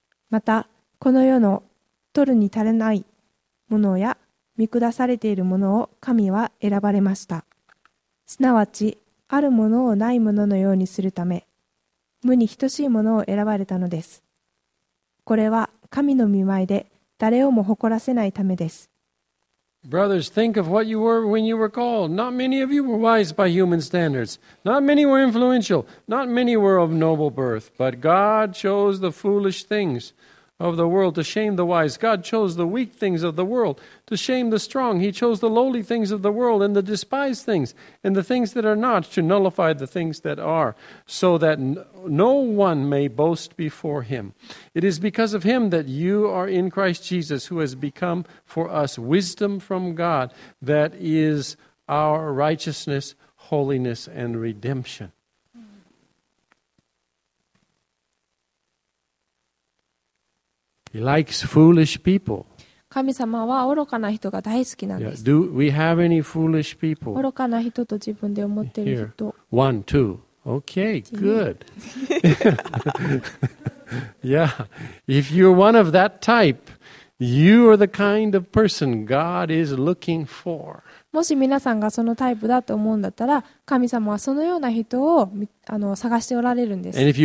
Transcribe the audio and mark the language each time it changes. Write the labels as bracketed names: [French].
[Japanese] またこの世の取るに足りないものや見下されているものを神は選ばれました。すなわちあるものをないもののようにするため無に等しいものを選ばれたのです。これは神の御前で誰をも誇らせないためです。 [English] Brothers, think of what you were when you were called. Not many of you were wise by human standards. Not many were influential. Not many were of noble birth. But God chose the foolish things of the world to shame the wise. God chose the weak things of the world to shame the strong. He chose the lowly things of the world and the despised things and the things that are not to nullify the things that are, so that no one may boast before him. It is because of him that you are in Christ Jesus, who has become for us wisdom from God, that is our righteousness, holiness, and redemption. He likes foolish people. [Japanese] 神様は愚かな人が大好きなんです。 [English] Do we have any foolish people? [Japanese] 愚かな人と自分で思っている人。 [English] One, two. Okay, good. Yeah. If you're one of that type, you are the kind of person God is looking for. [Japanese] もし皆さんがそのタイプだと思うんだったら、神様はそのような人を探しておられるんです。